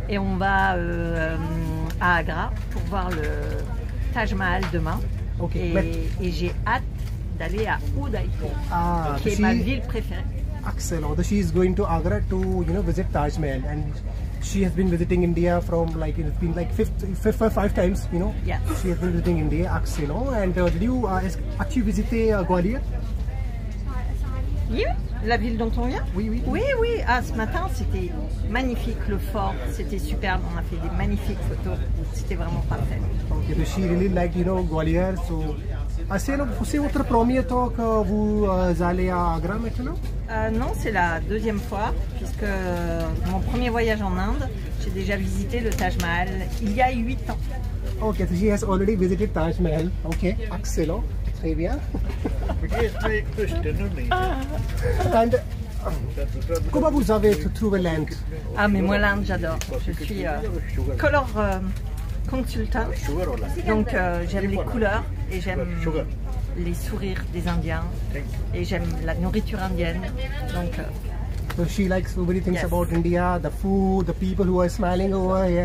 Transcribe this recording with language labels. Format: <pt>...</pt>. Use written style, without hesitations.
<fr>Et on va à Agra pour voir le Taj Mahal demain.</fr> <en>Okay.</en> <fr>Et j'ai hâte d'aller à Udaipur, qui est ma ville préférée.</fr> <en>Excellent. She is going to Agra to, you know, visit Taj Mahal. And she has been visiting India from like, it's been like five times, you know. Yes. She has been visiting India. Excellent. And did you actually visit Gwalior?</en> <fr>You? La ville dont on vient? Oui. Ah, ce matin, c'était magnifique, le fort, c'était superbe. On a fait des magnifiques photos. C'était vraiment parfait.</fr> <en>Okay, but she really liked, you know, Gwalior.</en> <fr>So, c'est votre premier temps que vous allez à Agra maintenant? Non, c'est la deuxième fois, puisque mon premier voyage en Inde, j'ai déjà visité le Taj Mahal il y a 8 ans.</fr> <en>Okay, so she has already visited Taj Mahal. Okay, excellent.</en> <fr>Très bien. And, comment vous avez trouvé l'Inde? Ah, mais moi l'Inde, j'adore. Je suis color consultant, donc j'aime les couleurs et j'aime les sourires des Indiens et j'aime la nourriture indienne. Donc.</fr> <en>So she likes so many things about India, the food, the people who are smiling over here,</en>